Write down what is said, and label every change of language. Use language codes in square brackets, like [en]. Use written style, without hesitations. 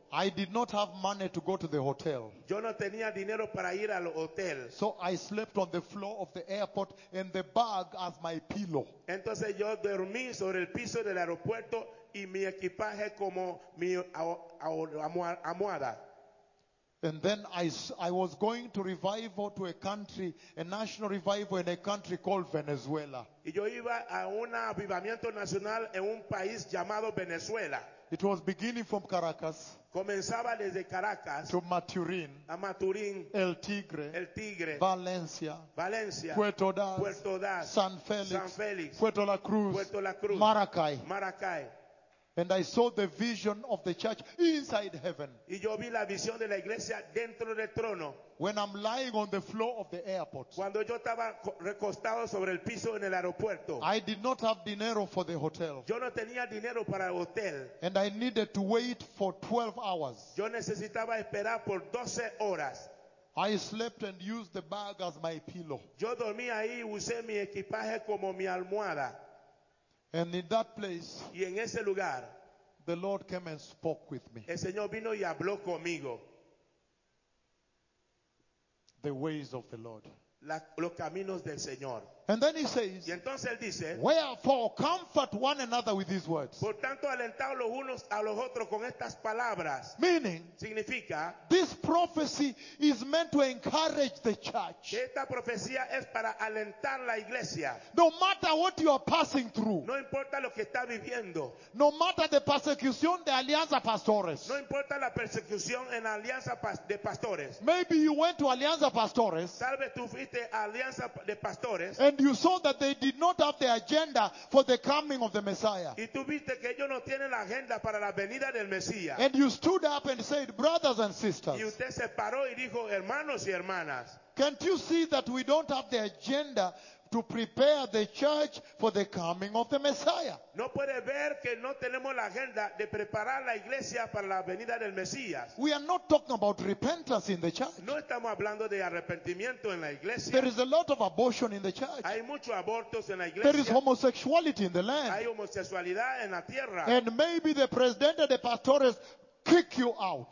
[en] I did not have money to go to the hotel. [es] Yo no tenía dinero para ir al hotel. [en] So I slept on the floor of the airport and the bag as my pillow. [es] Entonces yo dormí sobre el piso del aeropuerto y mi equipaje como mi almohada. [en] And then I was going to revival to a country, a national revival in a country called Venezuela. [es] Y yo iba a un avivamiento nacional en un país llamado Venezuela. [en] It was beginning from Caracas. [es] Comenzaba desde Caracas, [en] to Maturín, [es] a Maturín, El Tigre, Valencia, Puerto Ordaz, San Félix, Puerto La Cruz, Maracay. [en] And I saw the vision of the church inside heaven. [es] Y yo vi la visión de la iglesia dentro del trono. [en] When I'm lying on the floor of the airport. [es] Cuando yo estaba recostado sobre el piso en el aeropuerto. [en] I did not have dinero for the hotel. [es] Yo no tenía dinero para el hotel. [en] And I needed to wait for 12 hours. [es] Yo necesitaba esperar por 12 horas. [en] I slept and used the bag as my pillow. [es] Yo dormí ahí y usé mi equipaje como mi almohada. [en] And in that place, [es] y en ese lugar, [en] the Lord came and spoke with me. [es] El Señor vino y habló conmigo. [en] The ways of the Lord. [es] Los caminos del Señor. [en] And then he says, [es] y entonces él dice, [en] wherefore comfort one another with these words. [es] Por tanto, alentad los unos a los otros con estas palabras. [en] Meaning, [es] significa, [en] this prophecy is meant to encourage the church. [es] Esta profecía es para alentar la iglesia. [en] No matter what you are passing through. [es] No importa lo que está viviendo. [en] No matter the persecution de Alianza Pastores. [es] No importa la persecución en Alianza de Pastores. [en] Maybe you went to Alianza Pastores. [es] Tal vez tú fuiste a Alianza de Pastores. [en] And you saw that they did not have the agenda for the coming of the Messiah. [es] Y tú viste que ellos no tienen la agenda para la venida del Mesías. [en] And you stood up and said, brothers and sisters. [es] Y usted se paró y dijo, hermanos y hermanas. [en] Can't you see that we don't have the agenda to prepare the church for the coming of the Messiah? [es] No puede ver entender que no tenemos la agenda de preparar la iglesia para la venida del Mesías. [en] We are not talking about repentance in the church. [es] No estamos hablando de arrepentimiento en la iglesia. [en] There is a lot of abortion in the church. [es] Hay muchos abortos en la iglesia. [en] There is homosexuality in the land. [es] Hay homosexualidad en la tierra. [en] And maybe the president or the pastors kick you out.